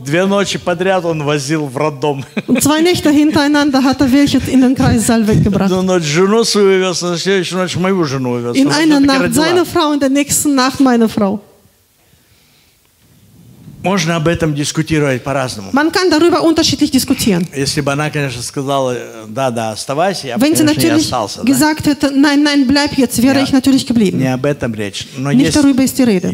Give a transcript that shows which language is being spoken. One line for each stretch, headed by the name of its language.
Russian: Две ночи подряд он возил в роддом.
German: Und zwei Nächte hintereinander hat er welche in den Kreißsaal weggebracht.
Russian: Одну ночь жену свою увез, на следующую ночь мою жену увез.
German: In einer Nacht seine Frau, in der nächsten Nacht meine Frau.
Russian: Можно об этом дискутировать по-разному.
German: Man kann darüber unterschiedlich diskutieren.
Russian: Если бы она, конечно, сказала, да-да, оставайся, я бы,
German: Wenn
Russian: конечно,
German: sie
Russian: не остался.
German: Gesagt hätte, nein, nein, bleib jetzt, wäre ich natürlich geblieben.
Russian: Не об этом речь. Но
German: Nicht darüber ist die Rede.